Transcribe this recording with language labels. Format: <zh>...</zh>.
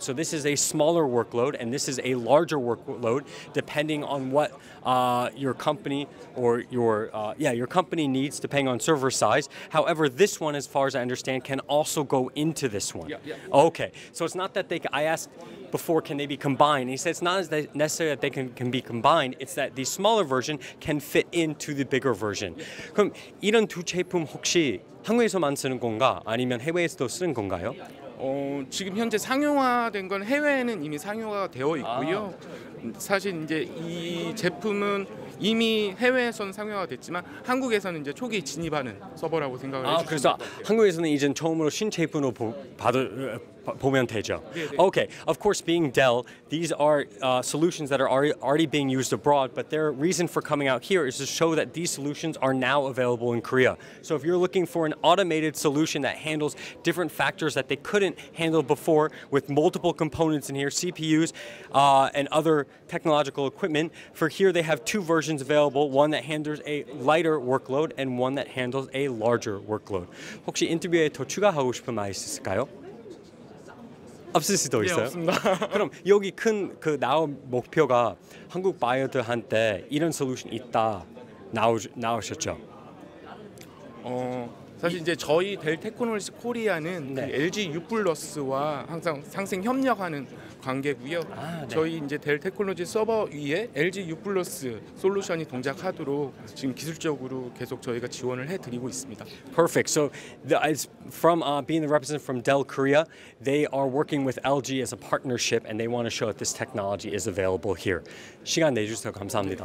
<en>So this is a smaller workload, and this is a larger workload, depending on what your company or your company needs, depending on server size. However, this one, as far as I understand, can also go into this one. Yeah, yeah. Okay. So it's not that I asked before, can they be combined? He said it's not as they necessarily that they can be combined, it's that the smaller version can fit into the bigger version.</en> <ko>그럼 이런 두 제품 혹시 한국에서만 쓰는 건가 아니면 해외에서도 쓰는 건가요? 지금 현재 상용화된 건 해외에는 이미 상용화가 되어 있고요. 사실 이제 이 제품은 이미 해외에서는 상용화가 됐지만 한국에서는 이제 초기 진입하는 서버라고 생각을 해요. 아, 그래서 한국에서는 이제 처음으로 신제품으로 보면 되죠. 네네.</ko> <en>Okay, of course, being Dell, these are solutions that are already being used abroad, but their reason for coming out here is to show that these solutions are now available in Korea. So if you're looking for an automated solution that handles different factors that they couldn't handle before with multiple components in here, CPUs and other technological equipment, for here they have two versions available, one that handles a lighter workload and one that handles a larger workload.</en> <ko>혹시 인터뷰에 더 추가하고 싶은 말 있으실까요? 없을 수도 있어요. 네, 없습니다. 그럼 여기 큰 그 나온 목표가 한국 바이어들한테 이런 솔루션 있다 나오셨죠? 사실 이제 저희 델 테크놀로지 코리아는 네. 그 LG U+와 항상 상생 협력하는 관계고요. 아, 네. 저희 이제 델 테크놀로지 서버 위에 LG U+ 솔루션이 동작하도록 지금 기술적으로 계속 저희가 지원을 해드리고 있습니다.</ko> <en>Perfect. So as from being the representative from Dell Korea, they are working with LG as a partnership, and they want to show that this technology is available here.</en> <ko>시간 내주셔서 감사합니다.</ko>